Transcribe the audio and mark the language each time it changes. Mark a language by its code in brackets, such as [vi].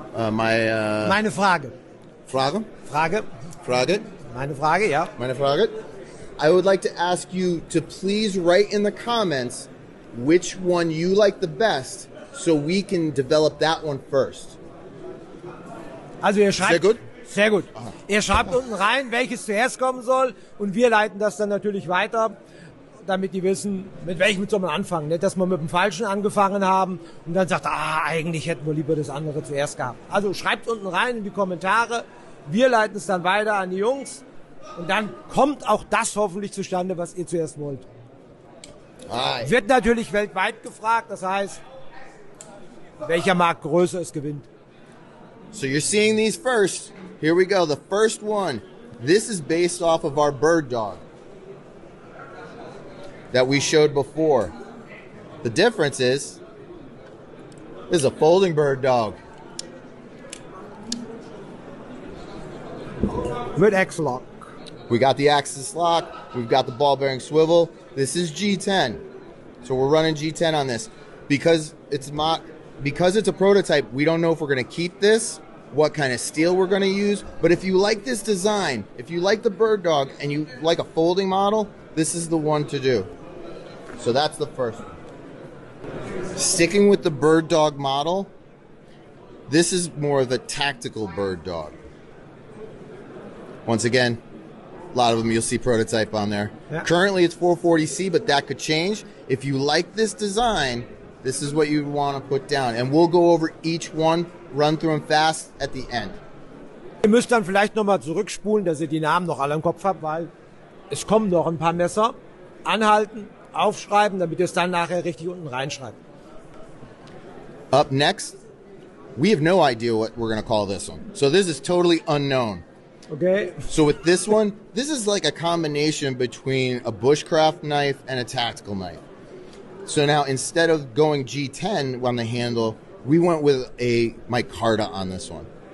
[de] meine Frage. Frage? Frage. Frage. Meine Frage, ja. Meine Frage. [en] I would like to ask you to please write in the comments which one you like the best, so we can develop that one first. [de] Also ihr schreibt, sehr gut. Sehr gut. Ihr schreibt unten rein, welches zuerst kommen soll, und wir leiten das dann natürlich weiter, damit die wissen, mit welchem soll man anfangen. Nicht, dass wir mit dem Falschen angefangen haben und dann sagt, eigentlich hätten wir lieber das andere zuerst gehabt. Also schreibt unten rein in die Kommentare, wir leiten es dann weiter an die Jungs und dann kommt auch das hoffentlich zustande, was ihr zuerst wollt. Aye. Wird natürlich weltweit gefragt, das heißt, welcher Markt größer ist, gewinnt. [en] So you're seeing these first. Here we go, the first one. This is based off of our bird dog that we showed before. The difference is, this is a folding bird dog. With X-Lock. We got the axis lock, we've got the ball bearing swivel. This is G10. So we're running G10 on this. Because it's a prototype, we don't know if we're going to keep this, what kind of steel we're going to use. But if you like this design, if you like the bird dog and you like a folding model, this is the one to do. So that's the first one. Sticking with the bird dog model, this is more of a tactical bird dog. Once again, a lot of them you'll see prototype on there. Yeah. Currently it's 440C, but that could change. If you like this design, this is what you would want to put down. And we'll go over each one, run through them fast at the end. [de] Ihr müsst dann vielleicht nochmal zurückspulen, dass ihr die Namen noch alle im Kopf habt, weil es kommen noch ein paar Messer. Anhalten, aufschreiben, damit ihr es dann nachher richtig unten reinschreibt. [en] Up next, we have no idea what we're going to call this one. So this is totally unknown. Okay. So with this one, this is like a combination between a bushcraft knife and a tactical knife. So now instead of going G10 on the handle, we went with a micarta on this one.